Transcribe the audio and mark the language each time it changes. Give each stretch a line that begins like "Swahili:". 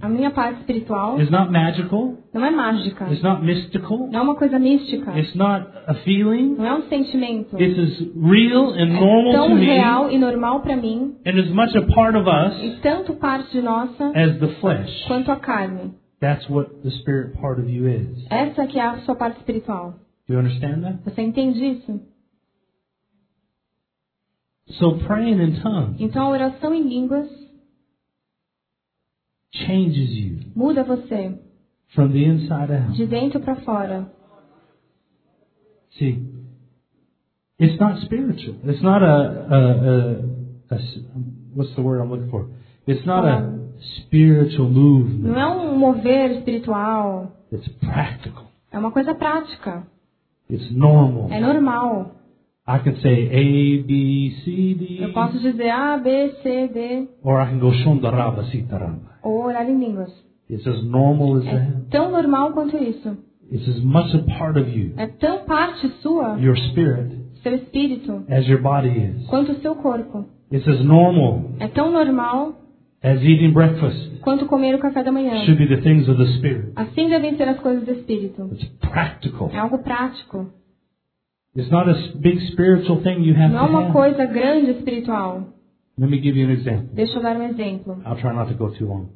Portuguese: A minha parte espiritual.
English: Is not magical.
Portuguese: Não é mágica.
English: It's not mystical.
Portuguese: Não é uma coisa mística.
English: It's not a feeling.
Portuguese: Não é sentimento.
English: It is real and normal to me.
Portuguese: É tão real e normal para mim.
English: And as much a part of us.
Portuguese: E tanto parte de nossa.
English: As the flesh.
Portuguese: Quanto a carne.
English: That's what the spirit part of you is.
Portuguese: Essa que é a sua parte espiritual.
English: Do you understand that?
Portuguese: Você entende isso?
English: So praying in tongues.
Portuguese: Então a oração em línguas.
English: Changes you.
Portuguese: Muda você.
English: From the inside out.
Portuguese: De dentro para fora.
English: See, it's not spiritual. It's not a what's the word I'm looking for? It's not a spiritual movement.
Portuguese: Não é um mover espiritual.
English: It's practical.
Portuguese: É uma coisa prática.
English: It's normal.
Portuguese: É normal.
English: I can say A, B, C, D.
Portuguese: Eu posso dizer A, B, C, D.
English: Or I can go shundaraba, sitaraba.
Portuguese: Ou orar em línguas.
English: It's as normal as
Portuguese: é
English: that.
Portuguese: Tão normal quanto isso.
English: It's as much a part of you.
Portuguese: É tão parte sua.
English: Your spirit.
Portuguese: Seu espírito.
English: As your body is.
Portuguese: Quanto o seu corpo.
English: It's as normal.
Portuguese: É tão normal.
English: As eating breakfast.
Portuguese: Quanto comer o café da manhã.
English: Should be the things of the spirit.
Portuguese: Assim devem ser as coisas do espírito.
English: It's practical.
Portuguese: É algo prático.
English: It's not a big spiritual thing you have to have.
Portuguese: Não é uma coisa grande espiritual.
English: Let me give you an example.
Portuguese: Deixa eu dar um exemplo.
English: I'll try not to go too long.